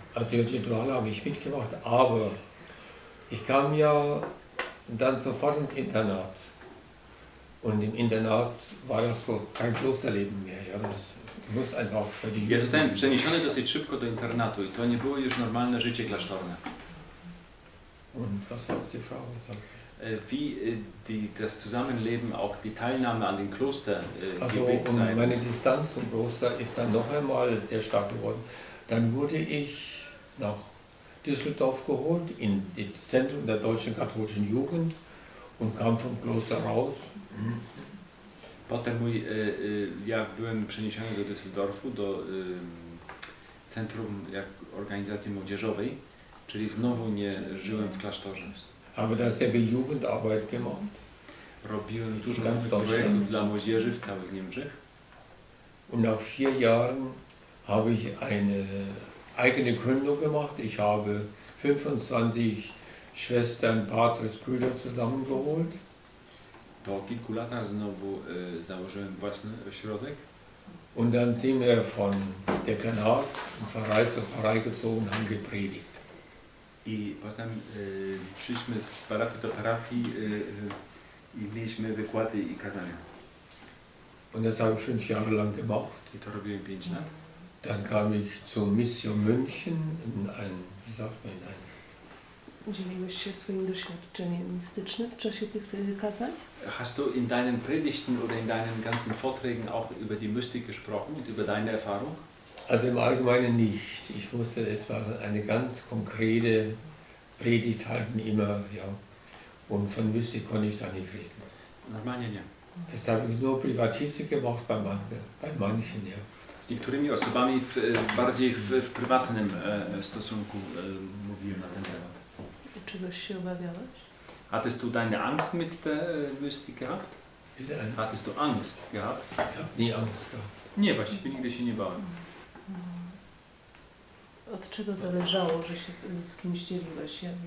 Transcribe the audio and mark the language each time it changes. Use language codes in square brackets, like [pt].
[de] Die Rituale habe ich mitgemacht, aber ich kam ja dann sofort ins Internat. Und im Internat war das wohl kein Klosterleben mehr. Ja, das muss einfach für die. [pl] Ja, zostałem przeniesiony dosyć szybko do internatu i to nie było już normalne życie klasztorne. [de] Und was war die Frage? Wie die, das Zusammenleben, auch die Teilnahme an den Kloster Gebetszeiten. Also meine Distanz zum Kloster ist dann noch einmal sehr stark geworden. Dann wurde ich nach Düsseldorf geholt, in das Zentrum der deutschen katholischen Jugend und kam vom Kloster raus. [pl] Potem mój, ja byłem przeniesiony do Düsseldorfu, do Centrum Organizacji Młodzieżowej, czyli znowu nie żyłem w klasztorze. [de] Habe da sehr viel Jugendarbeit gemacht. [pl] Robiłem dużo projektów dla młodzieży w całych Niemczech. [de] Und nach 4 Jahren habe ich eine eigene Gründung gemacht. Ich habe 25 Schwestern, Patres, Brüder zusammengeholt. [pl] Po kilku latach znowu założyłem własny ośrodek. [de] Und dann sind wir von Dekanat und Pfarrei zu Pfarrei gezogen, haben gepredigt. [pl] I potem przyszliśmy z parafii do parafii i mieliśmy wykłady i kazania. [de] Und das habe ich 5 Jahre lang gemacht. [pl] I to robiłem 5 lat. [de] Dann kam ich zu Mission München in ein, wie sagt man, ein... [pl] Dzieliłeś się swoim doświadczeniem mistycznym w czasie tych kazań? [de] Hast du in deinen Predigten oder in deinen ganzen Vorträgen auch über die Mystik gesprochen und über deine Erfahrung? Also im Allgemeinen nicht. Ich musste etwa eine ganz konkrete Predigt halten immer, ja. Und von Mystik konnte ich da nicht reden. [pl] Normalnie nie. [de] Das habe ich nur privatistisch gemacht bei manchen, ja. [pl] Z niektórymi osobami bardziej w prywatnym stosunku mówiłem na ten temat. Czegoś się obawiałeś? [de] Hattest du deine Angst mit der Mystik gehabt? Hattest du Angst gehabt? Ich habe nie Angst gehabt. [pl] Nie, właściwie nigdy się nie bałem. Od czego zależało, że się z kimś dzieliłeś?